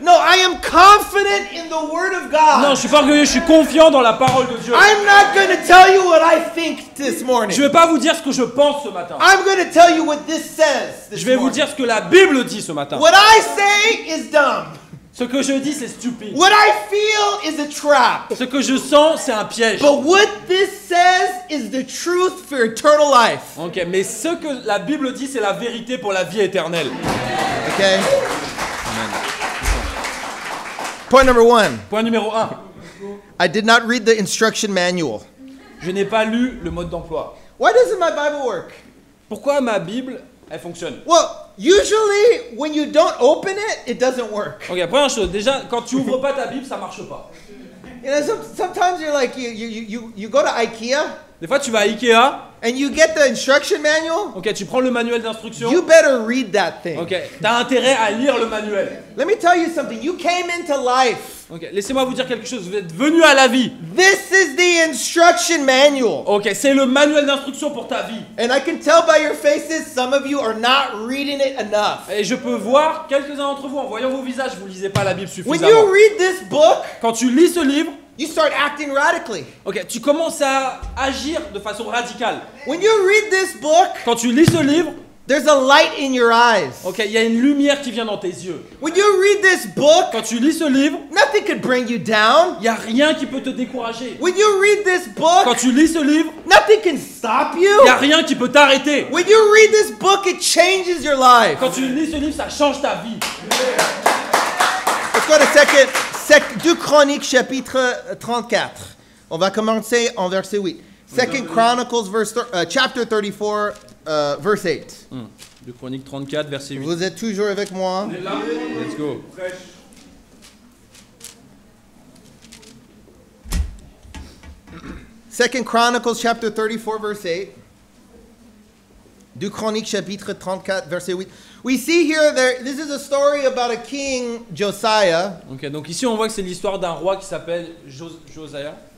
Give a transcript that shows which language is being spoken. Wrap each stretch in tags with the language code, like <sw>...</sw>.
<en>No, I am confident in the word of God.</en> <fr>Non, je suis pas orgueilleux, je suis confiant dans la parole de Dieu.</fr> <en>I'm not going to tell you what I think this morning.</en> <fr>Je vais pas vous dire ce que je pense ce matin.</fr> <en>I'm going to tell you what this says this morning.</en> <fr>Je vais vous dire ce que la Bible dit ce matin.</fr> <en>What I say is dumb.</en> <fr>Ce que je dis c'est stupide.</fr> <en>What I feel is a trap.</en> <fr>Ce que je sens c'est un piège.</fr> <en>But what this says is the truth for eternal life.</en> <fr>OK, mais ce que la Bible dit c'est la vérité pour la vie éternelle.</fr> <en>OK. Amen. Point number one.</en> <fr>Point numéro 1.</fr> <en>I did not read the instruction manual.</en> <fr>Je n'ai pas lu le mode d'emploi.</fr> <en>Why doesn't my Bible work?</en> <fr>Pourquoi ma Bible elle fonctionne?</fr> <en>Well, usually when you don't open it, it doesn't work.</en> <fr>OK, première chose, déjà quand tu ouvres pas ta Bible, ça marche pas.</fr> <en>You know, sometimes you're like you go to IKEA.</en> <fr>Des fois tu vas à IKEA</fr> <en>and you get the instruction manual.</en> <fr>OK, tu prends le manuel d'instruction.</fr> <en>You better read that thing.</en> <fr>OK, t'as intérêt à lire le manuel.</fr> <en>Let me tell you something. You came into life.</en> <fr>Okay, laissez-moi vous dire quelque chose. Vous êtes venu à la vie.</fr> <en>This is the instruction manual.</en> <fr>Okay, c'est le manuel d'instruction pour ta vie.</fr> <en>And I can tell by your faces, some of you are not reading it enough.</en> <fr>Et je peux voir quelques-uns d'entre vous en voyant vos visages, vous lisez pas la Bible suffisamment.</fr> <en>When you read this book,</en> <fr>quand tu lis ce livre,</fr> <en>you start acting radically.</en> <fr>Okay, tu commences à agir de façon radicale.</fr> <en>When you read this book,</en> <fr>quand tu lis ce livre,</fr> <en>there's a light in your eyes.</en> <fr>Okay, il y a une lumière qui vient dans tes yeux.</fr> <en>When you read this book,</en> <fr>quand tu lis ce livre,</fr> <en>nothing could bring you down.</en> <fr>Il y a rien qui peut te décourager.</fr> <en>When you read this book,</en> <fr>quand tu lis ce livre,</fr> <en>nothing can stop you.</en> <fr>Il y a rien qui peut t'arrêter.</fr> <en>When you read this book, it changes your life.</en> <fr>Quand tu lis ce livre, ça change ta vie.</fr> <en>Let's go to 2</en> <fr>Chroniques chapitre</fr> <en>34.</en> <fr>On va commencer en verset 8.</fr> <en>2 Chronicles chapter 34. Verse 8.</en> <fr>De Chronique 34, verset 8. Vous êtes toujours avec moi.</fr> <en>Let's go. Second Chronicles, chapter 34, verse 8.</en> <fr>De Chronique, chapitre 34, verset 8.</fr> <en>We see here, this is a story about a king, Josiah.</en> <fr>Okay, donc ici on voit que c'est l'histoire d'un roi qui s'appelle Josiah.</fr>